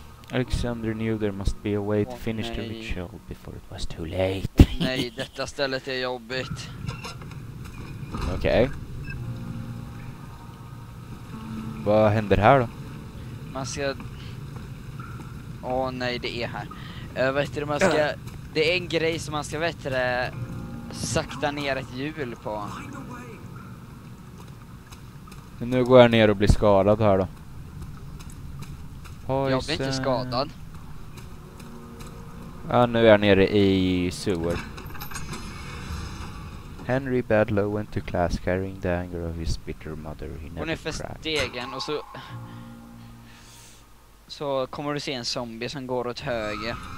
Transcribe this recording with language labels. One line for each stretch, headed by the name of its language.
English: Alexander knew there must be a way to finish the ritual before it was too late.
Swedish: Åh nej, detta stället är jobbigt. Okej. Vad händer här då? Man ska... Åh nej, det är här. Vet du, man ska... Det är en grej som man ska, vet du, sakta ner ett hjul på. Men nu går jag ner och blir skadad här då. Poison. Jag blir inte skadad. Ja, nu är jag nere i sewer.
English: Henry Bedlow went to class carrying the anger of his bitter mother. never cracked.
Swedish: Hon är för stegen och så... Så kommer du se en zombie som går åt höger.